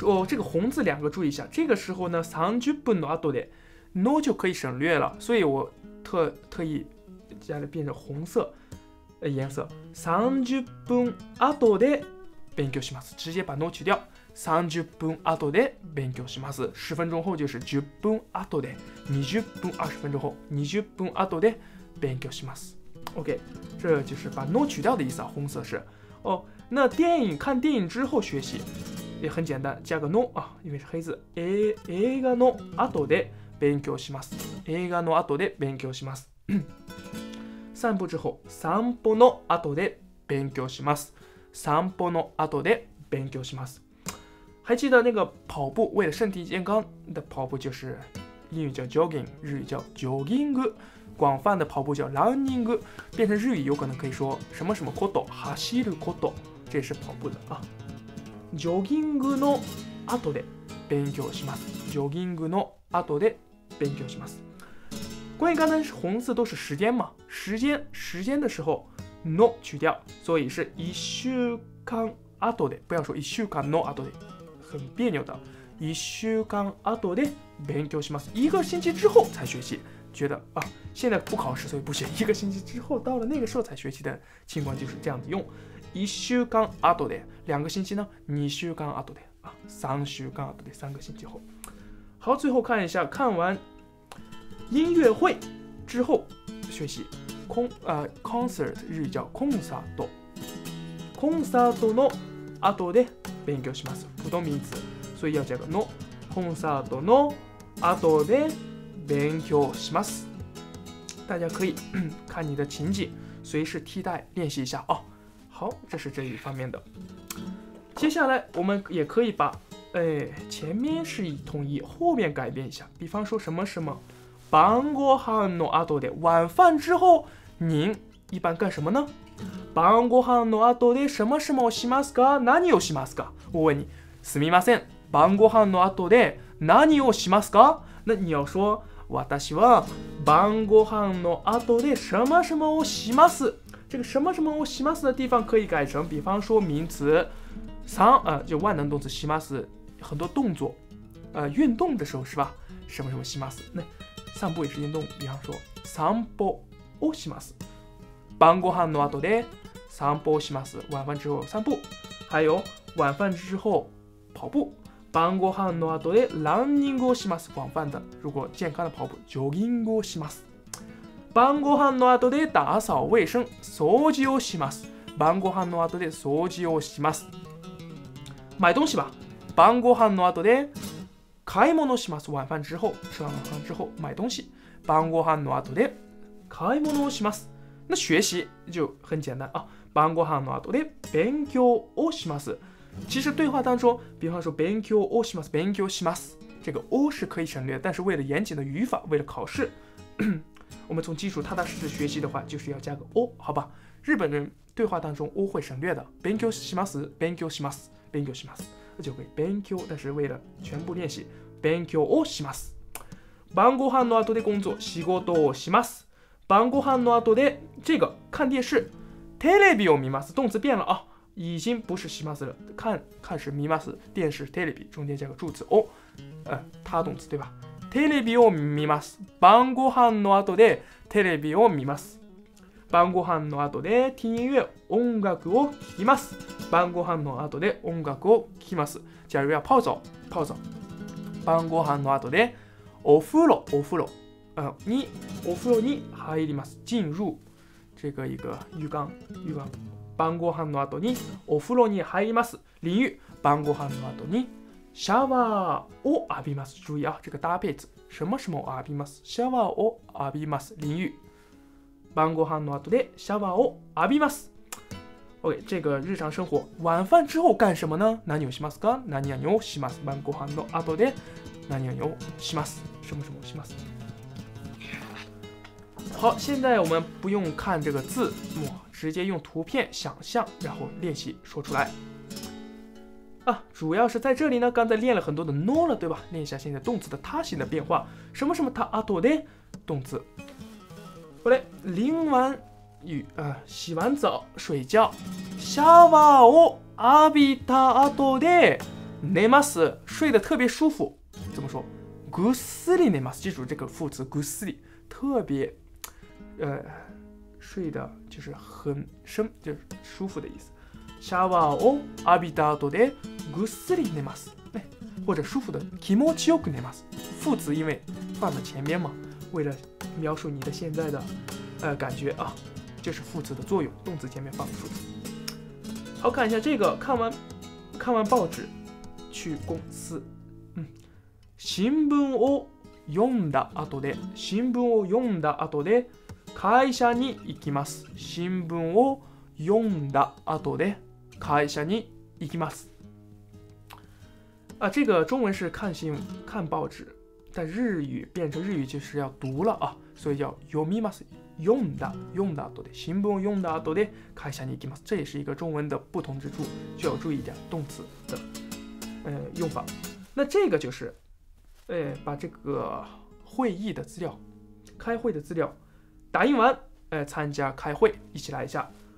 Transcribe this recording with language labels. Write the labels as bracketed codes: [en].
[zh] 这个红字两个注意一下，这个时候呢30分の後で no 就可以省略了，所以我 特意加了变成红色颜色， [ja] 30分後で勉強します， [zh] 直接把 no 取掉，30分後で勉強します，10分钟后就是10分後で，20分20分钟后， [ja] 20分後で勉強します。 [zh] OK， 这就是把 no 取掉的意思啊，红色是哦。那电影看电影之后学习也很简单，加个 no 啊，因为是黑字。 [ja] 映画の後で勉強します。映画の後で勉強します。 [zh] 散歩之后， [ja] 散歩の後で勉強します。散歩の後で勉強します。 [zh] 还记得那个跑步，为了身体健康的跑步就是英语叫 jogging， 日语叫 jogging。广泛的跑步叫 running， 变成日语有可能可以说什么什么こと，走ること，这也是跑步的啊。 [ja] ジョギングの後で勉強します。ジョギングの後で勉強します。 [zh] 关于刚才红字都是时间嘛，时间的时候 no 去掉，所以是一週間後で，不要说 [ja] 一週間の後で， [zh] 很别扭的。 [ja] 一週間後で勉強します。 [zh] 一个星期之后才学习，觉得啊，现在不考试所以不学，一个星期之后到了那个时候才学习的情况就是这样子用。 [ja] 一週間後で，两个星期呢？二週間後で，啊，三週間後で， [zh] 三个星期后。好，最后看一下，看完音乐会之后学习concert，日语叫コンサート。 [ja] コンサートの後で勉強します。 [zh] 不動名詞，所以要加个 no。 [ja] コンサートの後で勉強します。 [zh] 大家可以看你的情景，随时替代练习一下啊。好，这是这一方面的。接下来我们也可以把前面是一统一，后面改变一下。比方说什么什么 [ja] 晩ご飯の後で， [zh] 晚饭之后您一般干什么呢？ [ja] 晩ご飯の後で什么什么をしますか？何をしますか？ [zh] 我问你， [ja] すみません，晩ご飯の後で何をしますか？ [zh] 那你要说 [ja] 私は晩ご飯の後で什么什么をします。 [zh] 这个什么什么をします的地方可以改成，比方说名词就万能动词します，很多动作运动的时候是吧，什么什么します，那散步也是运动，比方说散歩をします， [ja] 晩ご飯の後で散歩をします， [zh] 晚饭之后散步，还有晚饭之后跑步， [ja] 晩ご飯の後でランニングをします，广泛的如果健康的跑步ジョギングをします， [zh] 晩ご飯の後で打扫卫生， [ja] 掃除をします。晩ご飯の後で掃除をします。 [zh] 买东西吧。 [ja] 晩ご飯の後で買い物します。 [zh] 晚饭之后，吃完晚饭之后买东西。 [ja] 晩ご飯の後で買い物をします。 [zh] 那学习就很简单啊。 [ja] 晩ご飯の後で勉強をします。 [zh] 其实对话当中，比方说 [ja] 勉強をします，勉強します。 [zh] 这个を是可以省略，但是为了严谨的语法，为了考试。我们从基础踏踏实实学习的话，就是要加个 o， 好吧？日本人对话当中 o 会省略的，勉強します，勉強します，勉強します，那就可以勉強。但是为了全部练习，勉強をします。 [ja] 晩ご飯の後で工作，仕事をします。晩ご飯の後で [zh] 这个看电视， [ja] テレビを見ます。 [zh] 动词变了啊，已经不是します了，看是見ます，电视テレビ中间加个助词 o， 他动词对吧？ [ja] テレビを見ます。晩ご飯の後でテレビを見ます。晩ご飯の後で [zh] 听音乐、 [ja] 音楽を聴きます。晩ご飯の後で音楽を聴きます。 [zh] 假如要泡澡、泡澡。 [ja] 晩ご飯の後でお風呂、お風呂。にお風呂に入ります。 [zh] 进入这个一个浴缸、浴缸。 [ja] 晩ご飯の後にお風呂に入ります。 [zh] 淋浴。 [ja] 晩ご飯の後に。シャワーを浴びます。 [zh] 注意啊，这个搭配词，什么什么を浴びます。 [ja] シャワーを浴びます。 [zh] 淋浴。 [ja] 晩ご飯の後でシャワーを浴びます。 [zh] OK， 这个日常生活，晚饭之后干什么呢？ [ja] 何をしますか？何々をします。晩ご飯の後で何々をします。 [zh] 什么什么をします。好，现在我们不用看这个字幕，直接用图片想象，然后练习说出来。啊，主要是在这里呢，刚才练了很多的 no 了，对吧？练一下现在动词的他形的变化，什么什么他啊多的动词。好嘞，淋完雨洗完澡睡觉， [ja] シャワーを浴びた後で [zh] 寝ます，睡得特别舒服。怎么说？ [ja] ぐっすり寝ます。 [zh] 记住这个副词，ぐっすり，特别，睡得就是很深，就是舒服的意思。 [ja] シャワーを浴びた後でぐっすり寝ます。 [zh] 或者舒服的 [ja] 気持ちよく寝ます。 [zh] 副词因为放在前面嘛，为了描述你的现在的感觉啊，就是副词的作用，动词前面放副词。好，看一下这个，看完报纸，去公司。 [ja] 新聞を読んだ後で、新聞を読んだ後で会社に行きます。新聞を読んだ後で会社に行きます。 [zh] 啊，这个中文是看新闻、看报纸，但日语变成日语就是要读了啊，所以叫読みます。 [ja] 読んだ、読んだ後で、新聞を読んだ後で会社に行きます。 [zh] 这也是一个中文的不同之处，就要注意一点动词的用法。那这个就是，把这个会议的资料、开会的资料打印完，参加开会，一起来一下。